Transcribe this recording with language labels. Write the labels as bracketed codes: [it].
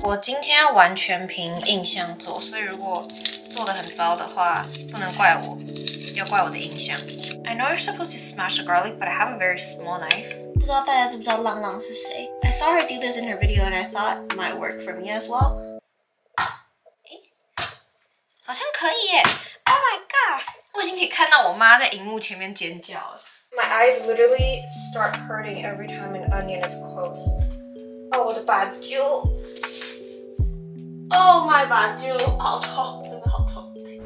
[zh] 我今天完全凭印象做，所以如果做得很糟的话，不能怪我，要怪我的印象。 [en] I know you're supposed to smash the garlic, but I have a very small knife. [zh] 不知道大家知不知道浪浪是谁？ [en] I saw her do this in her video and I thought it might work for me as well. [zh] 好像可以耶！ [en] Oh my god! [zh] 我已经可以看到我妈在荧幕前面尖叫了。 [en] My eyes literally start hurting every time an onion is close. Oh, [zh] 我的把揪！ [en] Oh my god, [zh] 好痛！